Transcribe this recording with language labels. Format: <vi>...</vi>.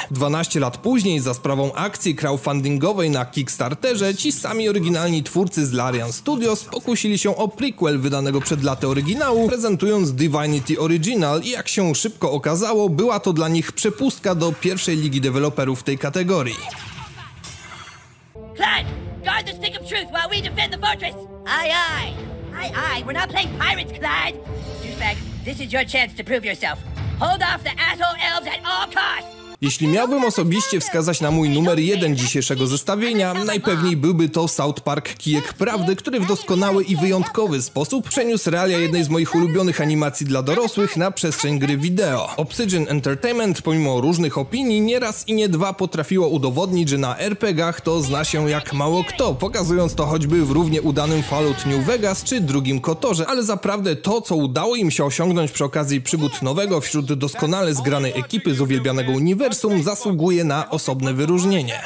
<pl>12 lat później, za sprawą akcji crowdfundingowej na Kickstarterze, ci sami oryginalni twórcy z Larian Studios pokusili się o prequel wydanego przed laty oryginału, prezentując Divinity Original i jak się szybko okazało, była to dla nich przepustka do pierwszej ligi deweloperów tej kategorii.</pl> <en>Clan, guard the stick of truth while we defend the fortress. Aye, aye. Aye, aye. We're not playing pirates, Clan. Douchebag, this is your chance to prove yourself. Hold off the asshole elves at all costs.</en> <pl>Jeśli miałbym osobiście wskazać na mój numer jeden dzisiejszego zestawienia, najpewniej byłby to South Park Kijek Prawdy, który w doskonały i wyjątkowy sposób przeniósł realia jednej z moich ulubionych animacji dla dorosłych na przestrzeń gry wideo. Obsidian Entertainment, pomimo różnych opinii, nie raz i nie dwa potrafiło udowodnić, że na RPG-ach to zna się jak mało kto, pokazując to choćby w równie udanym Fallout New Vegas czy drugim Kotorze, ale zaprawdę to, co udało im się osiągnąć przy okazji przygód nowego wśród doskonale zgranej ekipy z uwielbianego uniwersum, zasługuje na osobne wyróżnienie.</pl>